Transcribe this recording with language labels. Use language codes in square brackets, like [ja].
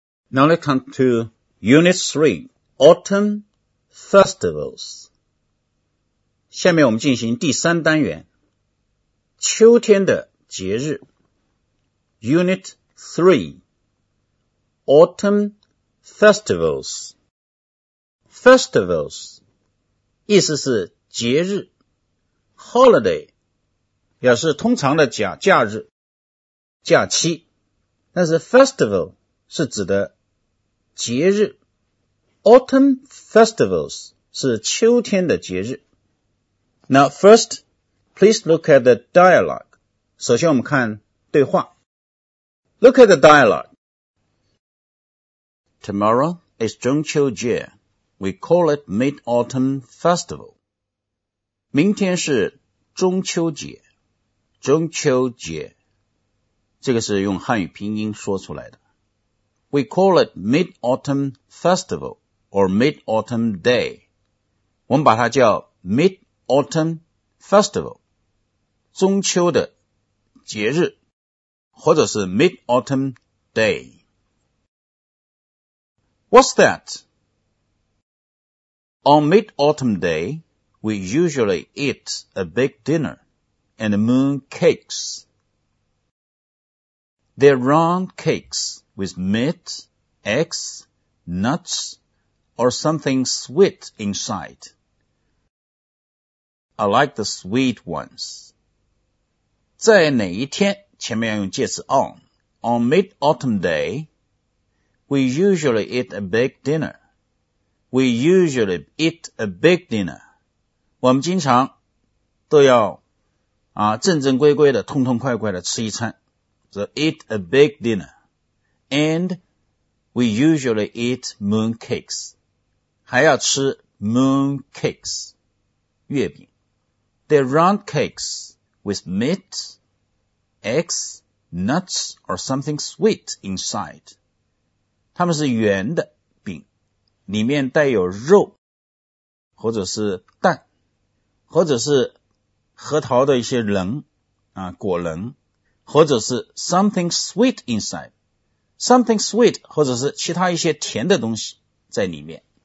[en] Now let's come to Unit 3, Autumn Festivals. [zh] 下面我们进行第三单元，秋天的节日。 [en] Unit 3, Autumn Festivals. [zh] Festivals, 意思是节日。 Holiday, 表示通常的假日、假期。但是 Festival 是指的节日。 Autumn Festivals 是秋天的节日。 [en] Now first, please look at the dialogue. [zh] 首先我们看对话。 [en] Look at the dialogue. Tomorrow is 中秋节. We call it Mid-Autumn Festival. [zh] 明天是中秋节。中秋节。这个是用汉语拼音说出来的。 [en] We call it Mid-Autumn Festival or Mid-Autumn Day. [zh] 我们把它叫 Mid-Autumn Festival. 中秋的节日。或者是 Mid-Autumn Day. [en] What's that? On Mid-Autumn Day, we usually eat a big dinner and moon cakes. They're round cakes with meat, eggs, nuts, or something sweet inside. I like the sweet ones. [zh] 在哪一天前面要用介词 on. [en] On Mid-Autumn Day, we usually eat a big dinner. We usually eat a big dinner. [zh] 我们经常都要啊正正规规的痛痛快快的吃一餐。 [en] So eat a big dinner. And we usually eat moon cakes. [zh] 还要吃 moon cakes, 月饼。 [en] They're round cakes with meat,eggs, nuts, or something sweet inside. [zh] 它们是圆的饼，里面带有肉，或者是蛋，或者是核桃的一些棱，啊，果棱，或者是 [en] something sweet inside. Something sweet, [zh] 或者是其他一些甜的东西在里面。